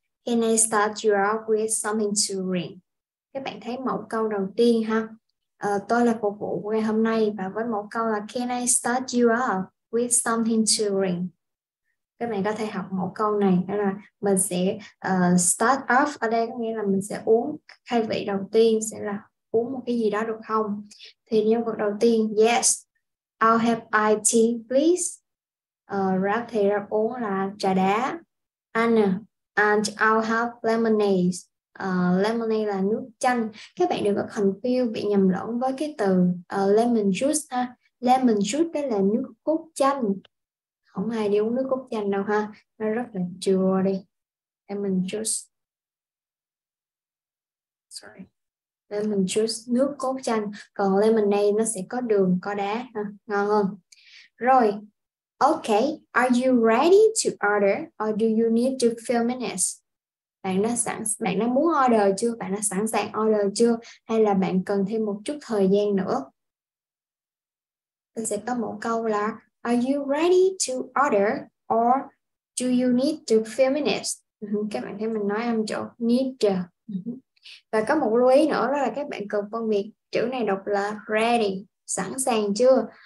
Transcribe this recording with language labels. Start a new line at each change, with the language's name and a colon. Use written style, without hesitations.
English: Can I start you off with something to drink?
Vietnamese: Các bạn thấy mẫu câu đầu tiên ha? Tôi là phục vụ của ngày hôm nay và với mẫu câu là
English: Can I start you off with something to drink?
Vietnamese: Các bạn có thể học mẫu câu này đó là mình sẽ start off ở đây có nghĩa là mình sẽ uống khai vị đầu tiên sẽ là uống một cái gì đó được không? Thì nhân vật đầu tiên,
English: yes, I'll have iced tea, please.
Vietnamese: Rap thì rap uống là trà đá. Anna,
English: and I'll have lemonade.
Vietnamese: Lemonade là nước chanh. Các bạn đừng có confuse bị nhầm lẫn với cái từ lemon juice ha. Lemon juice đó là nước cốt chanh. Không ai đi uống nước cốt chanh đâu ha. Nó rất là chua đi. Lemon juice.
English: Sorry.
Vietnamese: Lemon juice, nước cốt chanh. Còn lemonade nó sẽ có đường, có đá ha. Ngon hơn. Rồi,
English: okay, are you ready to order or do you need to fill minutes?
Vietnamese: Bạn đã muốn order chưa? Bạn đã sẵn sàng order chưa? Hay là bạn cần thêm một chút thời gian nữa? Tôi sẽ có một câu là
English: Are you ready to order or do you need to fill minutes?
Vietnamese: Các bạn thấy mình nói âm chỗ need to. Và có một lưu ý nữa đó là các bạn cần phân biệt chữ này đọc là ready, sẵn sàng chưa?